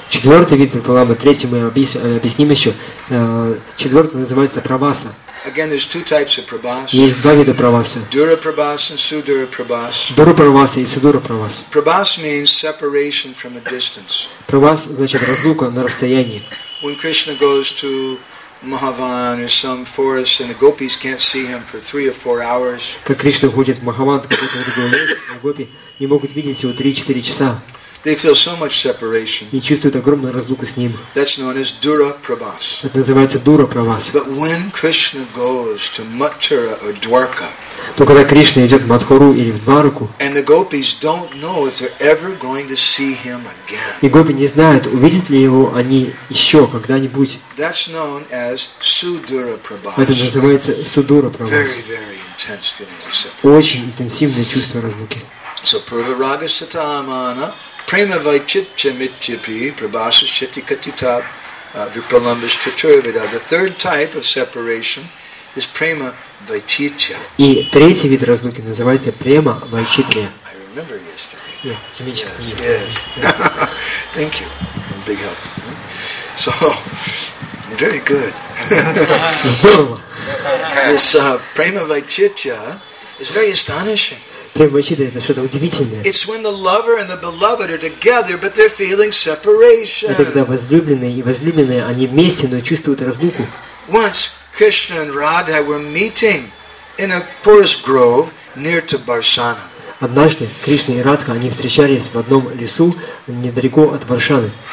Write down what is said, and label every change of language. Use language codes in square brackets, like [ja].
[ru] Четвертый вид випраламба, третий мы объясним еще. Четвертый называется прабаса. [en] Again, there's two types of prabhas. [ru] Есть два вида прабаса. Дура прабаса и судура прабаса. Дура прабаса и судура прабаса. [en] Прабас means separation from a distance. [ru] Прабас значит разлука на расстоянии. [en] When Krishna goes to Mahavan or some forest and the gopis can't see him for 3 or 4 hours. [ru] Как Кришна ходит в Махаван, какой-то вот такой лес, а гопи не могут видеть его 3-4 часа. [en] They feel so much separation. [ru] И чувствуют огромную разлуку с ним. [en] That's known as dura prabhas. [ru] Это называется дура прабас. [en] But when Krishna goes to Mathura or Dwarka, [ru] то когда Кришна идет в Мадхуру или в Двараку, [en] and the gopis don't know if they're ever going to see him again. [ru] И гопи не знают, увидят ли его они еще когда-нибудь. [en] That's known as sudura prabhas. [ru] Это называется судура прабас. [en] Very, very intense feelings of separation. [ru] Очень интенсивное чувство разлуки. [sa] So purvaraga satamana. Prema vaichitcha mityapi prabhasa shiti katita vipralambas chaturvida. [en] The third type of separation is prema vaichitcha. [ru] И третий вид разлуки называется prema vaichitcha. [en] I remember yesterday. Yes. Thank you. Big help. So, very good. This prema vaichitcha is very astonishing. [ru] Это что-то удивительное. [en] It's when the lover and the beloved are together, but they're feeling separation. [ru] Это когда возлюбленные и возлюбленные они вместе, но чувствуют разлуку. [en] Once Krishna and Radha were meeting in a forest grove near to Barsana. [ru] Однажды Кришна и Радха они встречались в одном лесу недалеко от Варшаны.